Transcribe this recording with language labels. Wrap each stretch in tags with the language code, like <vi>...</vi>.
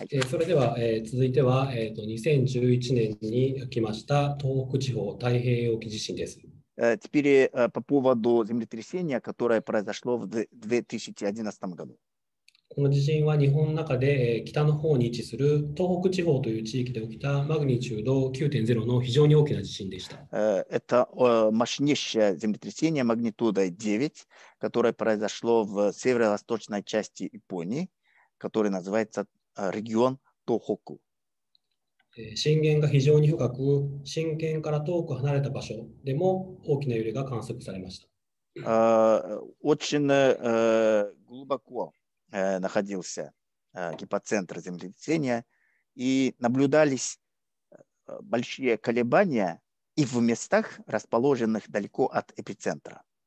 <ja>それでは、続いては、2011年に起きました東北地方太平洋沖地震です。</ja> <ru>Теперь по поводу землетрясения, которое произошло в 2011 году.</ru> <ja>この地震は日本の中で北の方に位置する東北地方という地域で起きたマグニチュード 9.0 の非常に大きな地震でした。</ja> <ru>Это мощнейшее землетрясение магнитудой 9, которое произошло в северо-восточной части Японии, который называется регион Тохоку.</ru> <ja>震源が非常に深く、震源から遠く離れた場所でも大きな揺れが観測されました。</ja> <ru>Очень глубоко находился гипоцентр землетрясения, и наблюдались большие колебания и в местах, расположенных далеко от эпицентра.</ru>